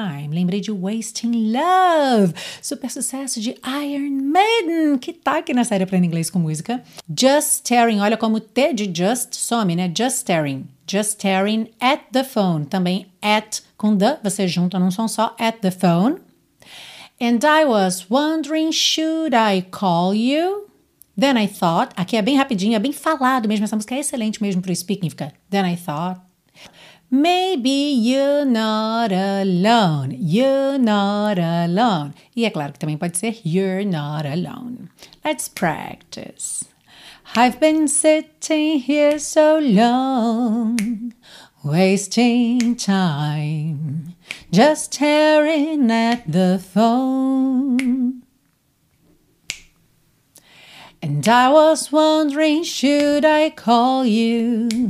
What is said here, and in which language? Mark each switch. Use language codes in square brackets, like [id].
[pt] Lembrei de Wasting Love, super sucesso de Iron Maiden, que tá aqui na série Aprenda Inglês com Música. [en] Just staring, [pt] olha como T de just some, né? [en] Just staring at the phone. [pt] Também at com the, você junta num som só, [en] at the phone. And I was wondering, should I call you? Then I thought, [pt] aqui é bem rapidinho, é bem falado mesmo, essa música é excelente mesmo pro speaking, fica. [en] Then I thought, maybe you're not alone, you're not alone. [pt] E é claro que também pode ser, [en] you're not alone. Let's practice. I've been sitting here so long, wasting time, just staring at the phone. And I was wondering, should I call you?